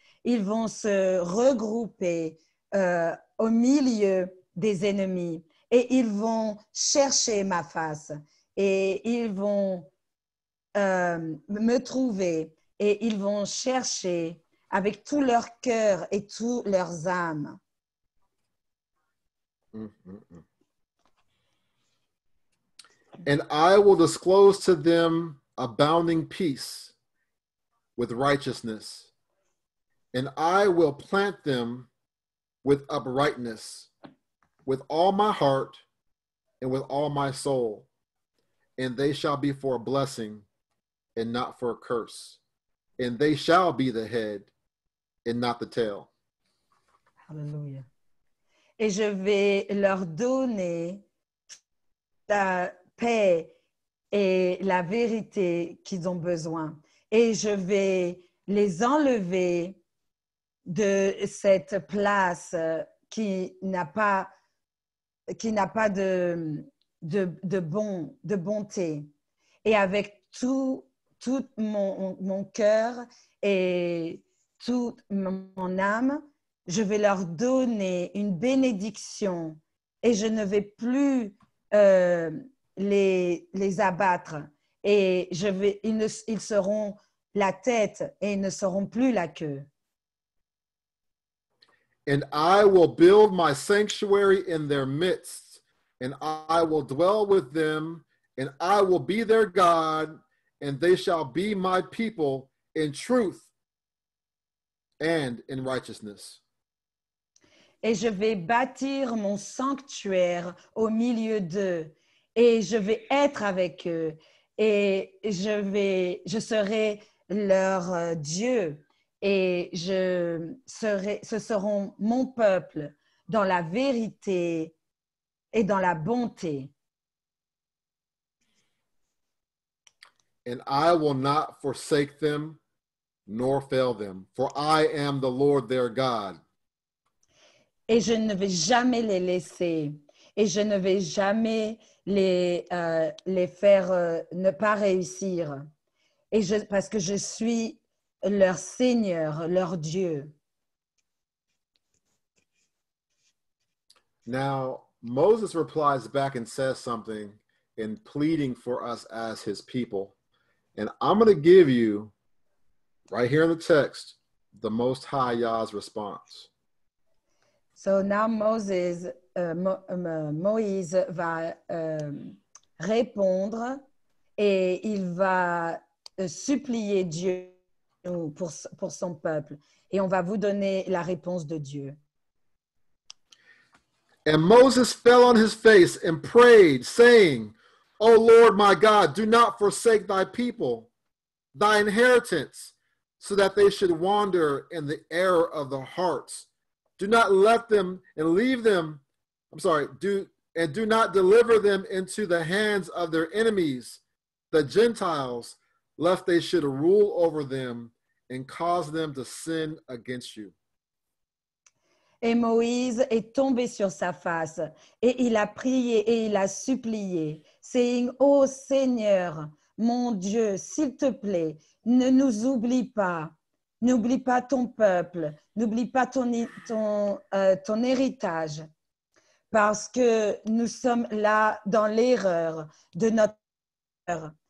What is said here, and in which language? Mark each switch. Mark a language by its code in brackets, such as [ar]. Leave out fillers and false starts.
[fr] Ils vont se regrouper au milieu des ennemis et ils vont chercher ma face et ils vont me trouver et ils vont chercher avec tout leur cœur et toutes leurs âmes. [en] And I will disclose to them abounding peace with righteousness. And I will plant them with uprightness, with all my heart and with all my soul. And they shall be for a blessing and not for a curse. And they shall be the head and not the tail. Hallelujah. [fr] Et je vais leur donner la paix et la vérité qu'ils ont besoin. Et je vais les enlever de cette place qui n'a pas de bonté. Et avec tout mon cœur et toute mon âme, je vais leur donner une bénédiction et je ne vais plus les abattre et je vais ils seront la tête et ils ne seront plus la queue. [en] And I will build my sanctuary in their midst, and I will dwell with them, and I will be their God, and they shall be my people in truth and in righteousness. [fr] Et je vais bâtir mon sanctuaire au milieu d'eux, et je vais être avec eux, et je serai leur Dieu. Et ce seront mon peuple dans la vérité et dans la bonté. [en] And I will not forsake them nor fail them, for I am the Lord their God. [fr] Et je ne vais jamais les laisser, et je ne vais jamais les faire ne pas réussir, parce que je suis leur Seigneur, leur Dieu. [en] Now, Moses replies back and says something in pleading for us as his people. And I'm going to give you, right here in the text, the Most High Yah's response. So now Moses, [fr] Moïse va répondre et il va supplier Dieu. Pour son peuple. Et on va vous donner la réponse de Dieu. [en] And Moses fell on his face and prayed, saying, O Lord my God, do not forsake thy people, thy inheritance, so that they should wander in the error of the hearts. Do not let them and leave them, do not deliver them into the hands of their enemies, the Gentiles, lest they should rule over them and cause them to sin against you. [fr] Et Moïse est tombé sur sa face, et il a prié et il a supplié, saying, Ô Seigneur, mon Dieu, s'il te plaît, ne nous oublie pas, n'oublie pas ton peuple, n'oublie pas ton héritage, parce que nous sommes là dans l'erreur de notre cœur.